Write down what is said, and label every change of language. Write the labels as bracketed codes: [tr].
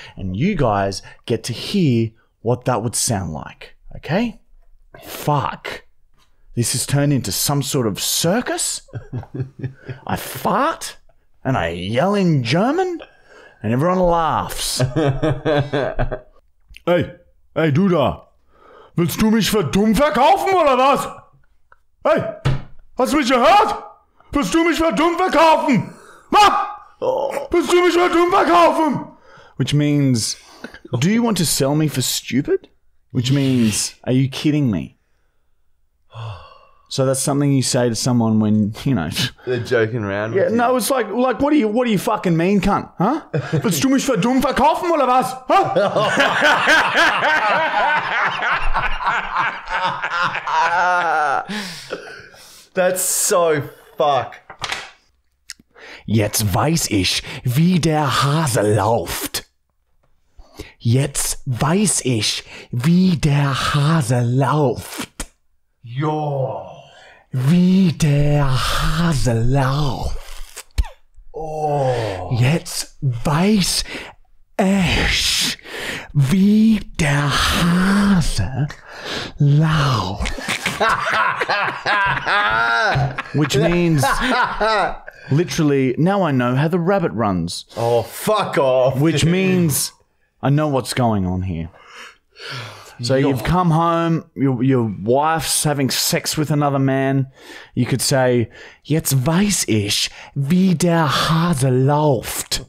[en] And you guys get to hear what that would sound like, okay? Fuck. This has turned into some sort of circus. I fart and I yell in German and everyone laughs. [de] Hey, du da. Willst du mich für dumm verkaufen oder was? Hey, hast du mich gehört? Willst du mich für dumm verkaufen? Ma! Willst du mich für dumm verkaufen? [en] Which means, do you want to sell me for stupid? Which means, are you kidding me? So that's something you say to someone when, you know, they're joking around with you. No, it's like what do you fucking mean, cunt? Huh? [de] Willst du mich für dumm verkaufen oder was? [en] Huh? That's so fuck. [de] Jetzt weiß ich, wie der Hase läuft. Jetzt weiß ich, wie der Hase läuft. Jo. Wie der Hase läuft. [en] Oh. [de] Jetzt weiß ich, wie der Hase läuft. [en] Which means, literally, now I know how the rabbit runs. Oh, fuck off. Which means, I know what's going on here. So you've come home, your wife's having sex with another man. You could say, [de] jetzt weiß ich, wie der Hase läuft.